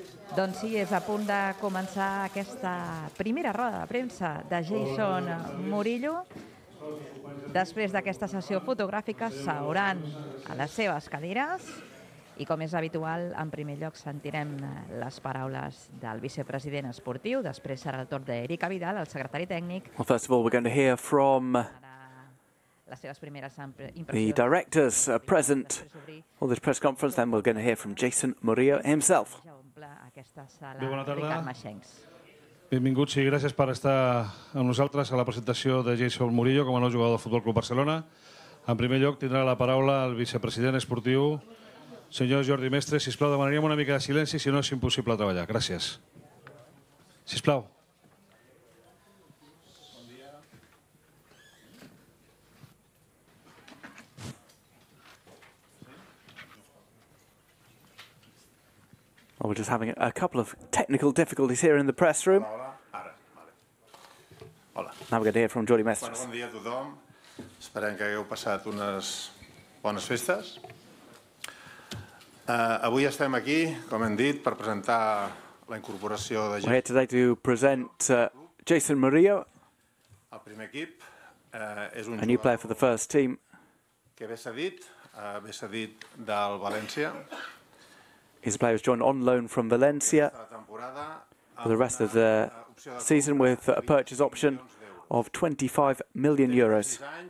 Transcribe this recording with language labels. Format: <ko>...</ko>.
<ca>Doncs sí, és a punt de començar aquesta primera roda de premsa de Jason Murillo. Després d'aquesta sessió fotogràfica s'hauran a les seves cadires i, com és habitual, en primer lloc sentirem les paraules del vicepresident esportiu, després serà el torn d'Eric Abidal, el secretari tècnic.</ca> <en>Well, first of all, we're going to hear from</en> <ca>les seves primeres impressions.</ca> <en>The directors are present for this press conference, then we're going to hear from Jason Murillo himself.</en> <ca>Bé, bona tarda. Benvinguts i gràcies per estar amb nosaltres a la presentació de Jason Murillo com a nou jugador del Futbol Club Barcelona. En primer lloc, tindrà la paraula el vicepresident esportiu, senyor Jordi Mestre. Sisplau, demanaríem una mica de silenci, si no és impossible treballar. Gràcies. Sisplau.</ca> <en>Well, we're just having a couple of technical difficulties here in the press room.</en> <ca>Hola.</ca> <en>Now we're going to hear from Jordi Mestres.</en> <ca>Bon dia a tothom. Esperem que hagueu passat unes bones festes. Avui estem aquí, com hem dit, per presentar la incorporació de...</ca> <en>We're here today to present Jason Murillo.</en> <ca>El primer equip. És un</ca> <en>a new player for the first team.</en> <ca>Que ve cedit del València.</ca> <en>His player was joined on loan from Valencia for the rest of the season with a purchase option of 25 million euros.</en>